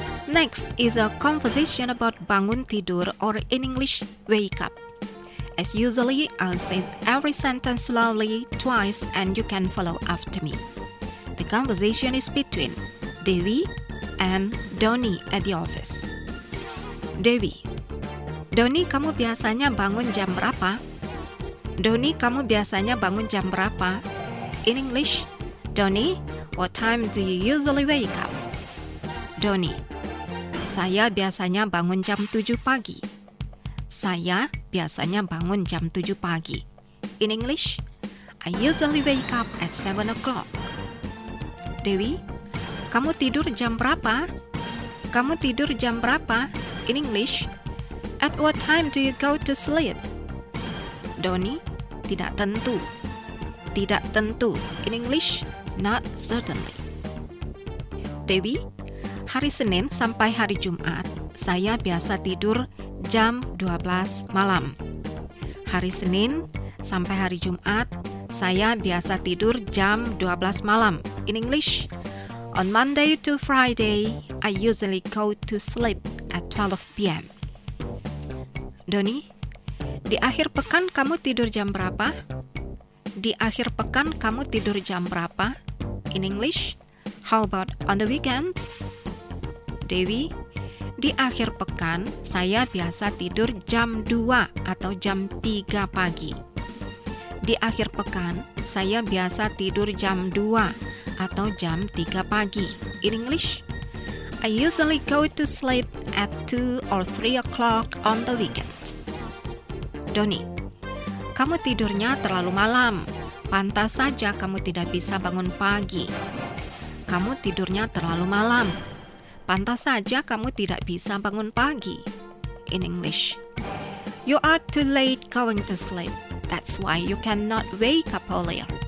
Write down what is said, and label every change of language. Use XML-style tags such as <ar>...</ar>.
<en>Next is a conversation about</en> <id>bangun tidur,</id> <en>or in English, wake up. As usually, I'll say every sentence slowly twice and you can follow after me. The conversation is between Dewi and Doni at the office. Dewi.</en> <id>Doni, kamu biasanya bangun jam berapa? Doni, kamu biasanya bangun jam berapa?</id> <en>In English, Doni, what time do you usually wake up? Doni.</en> <id>Saya biasanya bangun jam 7 pagi. Saya biasanya bangun jam 7 pagi.</id> <en>In English, I usually wake up at 7 o'clock.</en> <id>Dewi, kamu tidur jam berapa? Kamu tidur jam berapa?</id> <en>In English, at what time do you go to sleep?</en> <id>Doni, tidak tentu. Tidak tentu.</id> <en>In English, not certainly.</en> <id>Dewi, hari Senin sampai hari Jumat, saya biasa tidur jam 12 malam. Hari Senin sampai hari Jumat, saya biasa tidur jam 12 malam.</id> <en>In English, on Monday to Friday, I usually go to sleep at 12 p.m.</en> <id>Doni, di akhir pekan kamu tidur jam berapa? Di akhir pekan kamu tidur jam berapa?</id> <en>In English, how about on the weekend?</en> <id>Dewi, di akhir pekan saya biasa tidur jam 2 atau jam 3 pagi. Di akhir pekan saya biasa tidur jam 2 atau jam 3 pagi.</id> <en>In English, I usually go to sleep at 2 or 3 o'clock on the weekend.</en> <id>Doni, kamu tidurnya terlalu malam. Pantas saja kamu tidak bisa bangun pagi. Kamu tidurnya terlalu malam. Pantas saja kamu tidak bisa bangun pagi.</id> <en>In English, you are too late going to sleep. That's why you cannot wake up earlier.</en>